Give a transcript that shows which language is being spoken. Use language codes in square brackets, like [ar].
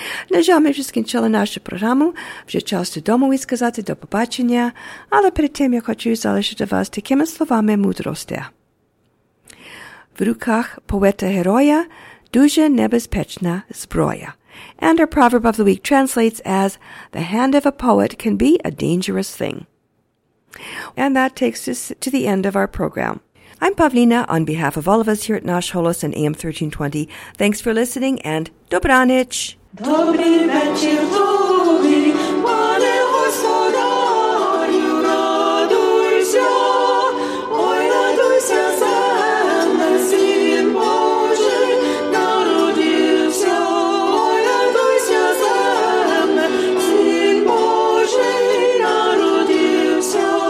[uk] Нажав ми вже скінчили нашу програму. Вже час додому і сказати до побачення. Але перед тим я хочу залишити вас такими словами мудрості. В руках поета-героя дуже небезпечна зброя. [en] And our proverb of the week translates as, "The hand of a poet can be a dangerous thing." And that takes us to the end of our program. I'm Pavlina. On behalf of all of us here at Nash Holos and AM 1320, thanks for listening and Dobranich! [uk] Добрий вечір тобі, пане господарю, радуйся, ой, радуйся, земля, син Божий народився, ой, радуйся, земля, син Божий народився.